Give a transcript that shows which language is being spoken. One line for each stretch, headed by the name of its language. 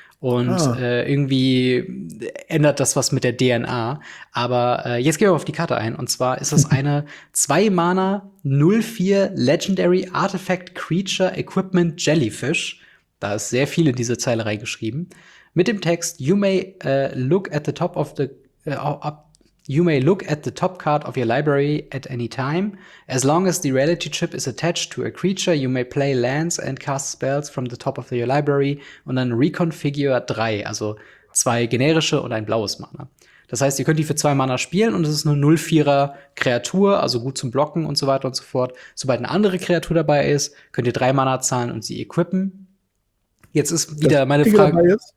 German: Und irgendwie ändert das was mit der DNA. Aber jetzt gehen wir auf die Karte ein. Und zwar ist das eine 2-Mana 0-4 Legendary Artifact Creature Equipment Jellyfish. Da ist sehr viel in diese Zeile reingeschrieben. Mit dem Text,
English: you may look at the top card of your library at any time. As long as the reality chip is attached to a creature, you may play lands and cast spells from the top of your library.
German: Und dann reconfigure 3, also 2 generische und ein blaues Mana. Das heißt, ihr könnt die für 2 Mana spielen und es ist eine 0-4er Kreatur, also gut zum Blocken und so weiter und so fort. Sobald eine andere Kreatur dabei ist, könnt ihr 3 Mana zahlen und sie equippen. Jetzt ist wieder das meine Frage.